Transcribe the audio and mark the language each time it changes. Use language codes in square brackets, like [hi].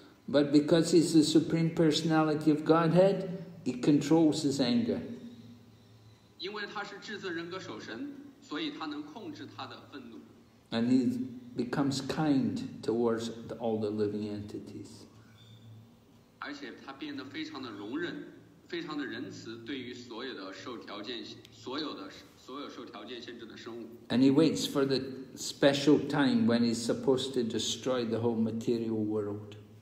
[en] But because he's the Supreme Personality of Godhead, he controls his anger. [zh] 因为他是至尊人格守神, 所以他能控制他的愤怒。 [en] And he becomes kind towards all the living entities. [zh] 而且他变得非常的容忍, 非常的仁慈对于所有受条件限制的生物。 [en] And he waits for the special time when he's supposed to destroy the whole material world.